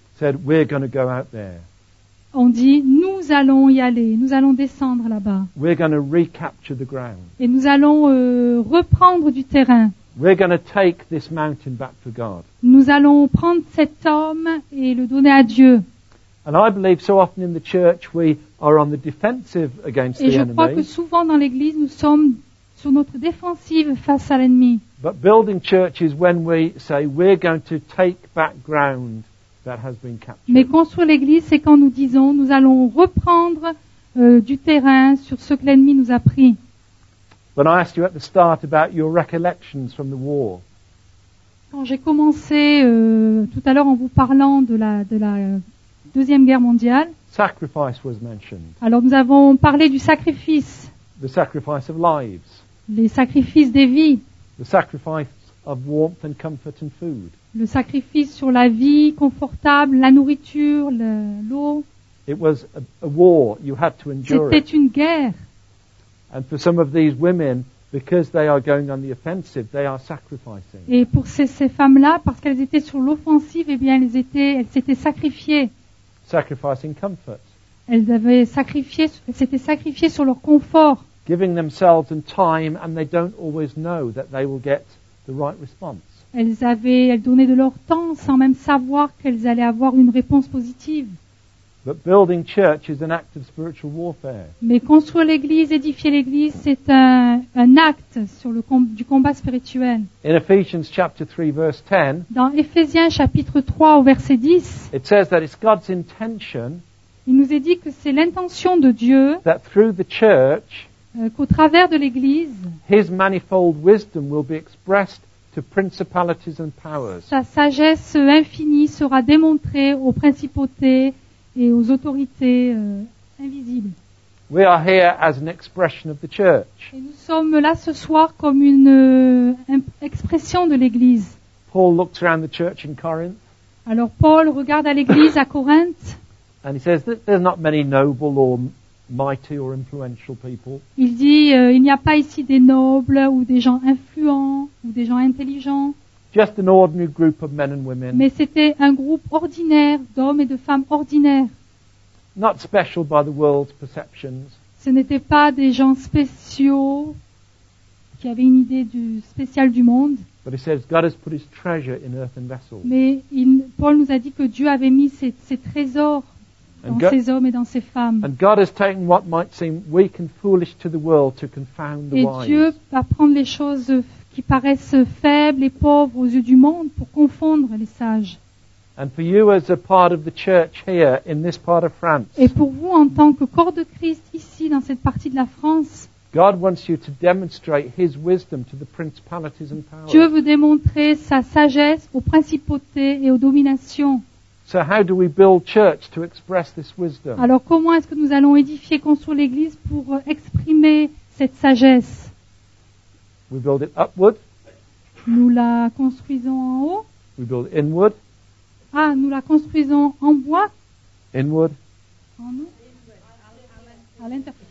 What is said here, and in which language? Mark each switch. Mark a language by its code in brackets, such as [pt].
[en] Said we're going to go out there. [fr] On dit nous allons y aller, nous allons descendre là-bas. [en] We're going to recapture the ground. [fr] Et nous allons reprendre du terrain. [en] We're going to take this mountain back to God. [fr] Nous allons prendre cet homme et le donner à Dieu. [en] And I believe so often in the church we are on the defensive against the enemy. [fr] Et je crois que souvent dans l'église nous sommes sur notre défensive face à l'ennemi. [en] But building church is when we say we're going to take back ground that has been captured. [fr] Mais construire l'église c'est quand nous disons nous allons reprendre du terrain sur ce que l'ennemi nous a pris. [en] When I asked you at the start about your recollections from the war. [fr] Quand j'ai commencé tout à l'heure en vous parlant de la Deuxième Guerre mondiale. [en] Sacrifice was mentioned. [fr] Alors nous avons parlé du sacrifice. [en] The sacrifice of lives. [fr] Les sacrifices des vies. [en] The sacrifice of warmth and comfort and food. [fr] Le sacrifice sur la vie confortable, la nourriture, l'eau. [en] It was a war. You had to endure it. [fr] C'était une guerre. [en] And for some of these women, because they are going on the offensive, they are sacrificing. [fr] Et pour ces femmes-là, parce qu'elles étaient sur l'offensive, eh bien elles s'étaient sacrifiées. [en] Sacrificing comfort. [fr] Elles avaient sacrifié, elles s'étaient sacrifiées sur leur confort. [en] Giving themselves and time, and they don't always know that they will get the right response. [fr] Elles donnaient de leur temps sans même savoir qu'elles allaient avoir une réponse positive. [en] But building church is an act of spiritual warfare. [fr] Mais construire l'église, édifier l'église, c'est un acte sur du combat spirituel. [en] In Ephesians chapter 3 verse 10. [fr] Dans Éphésiens chapitre 3 au verset 10. [en] It says that it's God's intention. [fr] Il nous est dit que c'est l'intention de Dieu. [en] That through the church. [fr] Qu'au travers de l'église. [en] His manifold wisdom will be expressed to principalities and powers. [fr] Sa sagesse infinie sera démontrée aux principautés et aux autorités invisibles. [en] We are here as an expression of the church. [fr] Et nous sommes là ce soir comme une expression de l'Église. [en] Paul looks around the church in Corinth. [fr] Alors Paul regarde à l'Église à Corinthe. [en] And he says that there's not many noble or mighty or influential people. [fr] Il dit il n'y a pas ici des nobles ou des gens influents ou des gens intelligents. [en] Just an ordinary group of men and women. [fr] Mais c'était un groupe ordinaire d'hommes et de femmes ordinaires. [en] Not special by the world's perceptions. [fr] Ce n'étaient pas des gens spéciaux qui avaient une idée spéciale du monde. [en] But it says God has put his treasure in earthen vessels. [fr] Mais Paul nous a dit que Dieu avait mis ses trésors dans ces hommes et dans ces femmes. [en] And God has taken what might seem weak and foolish to the world to confound the wise. [fr] Et Dieu va prendre les choses qui paraissent faibles et pauvres aux yeux du monde pour confondre les sages. [en] And for you as a part of the church here in this part of France. [fr] Et pour vous en tant que corps de Christ ici dans cette partie de la France. [en] God wants you to demonstrate his wisdom to the principalities and powers. [fr] Dieu veut démontrer sa sagesse aux principautés et aux dominations. [en] So how do we build church to express this wisdom? [fr] Alors comment est-ce que nous allons édifier construire l'église pour exprimer cette sagesse? [en] We build it upward. [fr] Nous la construisons en haut. [en] We build it inward. [fr] Ah, nous la construisons en bois. [en] Inward. [fr] En haut. À l'intérieur.